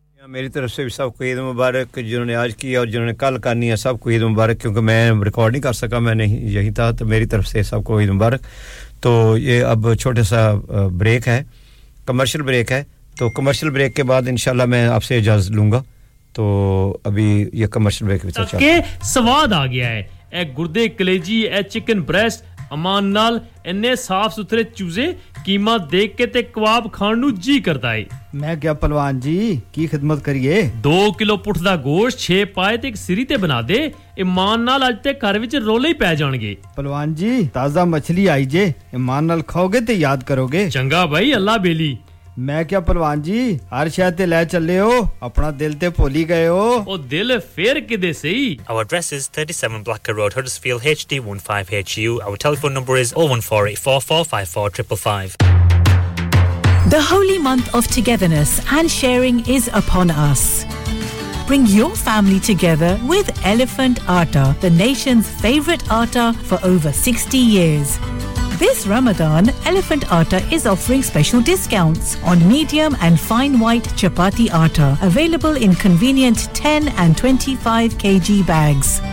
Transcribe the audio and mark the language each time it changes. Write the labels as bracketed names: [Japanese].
[Urdu] میری طرف سے بھی سب کو عید مبارک جنہوں نے آج کی اور جنہوں نے کل کرنی ہے سب کو عید مبارک کیونکہ میں ریکارڈ نہیں کر سکا میں نہیں یہی تھا تو میری طرف سے سب کو عید مبارک تو یہ اب چھوٹے سا بریک ہے کمرشل بریک ہے تو کمرشل بریک کے بعد انشاءاللہ میں آپ سے اجازت لوں گا تو ابھی یہ کمرشل بریک بھی [Punjabi] چلتا ہے سواد آ گیا ہے اے گردے کلیجی اے چکن بریسٹ امان نال انے صاف ستھرے چوزے ਕੀਮਾ ਦੇਖ ਕੇ ਤੇ ਕਬਾਬ ਖਾਣ ਨੂੰ ਜੀ ਕਰਦਾ ਏ ਮੈਂ ਕਿਹਾ ਪਹਿਲਵਾਨ ਜੀ ਕੀ ਖਿਦਮਤ ਕਰੀਏ 2 ਕਿਲੋ ਪੁੱਠ ਦਾ ਗੋਸ਼ 6 ਪਾਏ ਤੇ ਇੱਕ ਸਿਰੀ ਤੇ ਬਣਾ ਦੇ ਇਮਾਨ ਨਾਲ ਅੱਜ ਤੇ ਘਰ ਵਿੱਚ ਰੋਲੇ ਹੀ ਪੈ ਜਾਣਗੇ ਪਹਿਲਵਾਨ ਜੀ ਤਾਜ਼ਾ ਮੱਛਲੀ ਆਈ ਜੇ ਇਮਾਨ ਨਾਲ ਖਾਓਗੇ ਤੇ ਯਾਦ ਕਰੋਗੇ ਚੰਗਾ ਭਾਈ ਅੱਲਾ ਬੇਲੀ ਮੈਂ ਕਿਹਾ ਪਹਿਲਵਾਨ ਜੀ ਹਰ ਸ਼ਹਿਰ ਤੇ ਲੈ ਚੱਲੇ ਹੋ ਆਪਣਾ ਦਿਲ ਤੇ ਭੁੱਲੀ ਗਏ ਹੋ ਉਹ ਦਿਲ ਫੇਰ ਕਿਦੇ ਸਹੀ [English] Our address is 37 Blacker Road Huddersfield HD15HU our telephone number is 01484454555 The holy month of togetherness and sharing is upon us. Bring your family together with Elephant Atta, the nation's favorite atta for over 60 years. This Ramadan, Elephant Atta is offering special discounts on medium and fine white chapati atta, available in convenient 10 and 25 kg bags.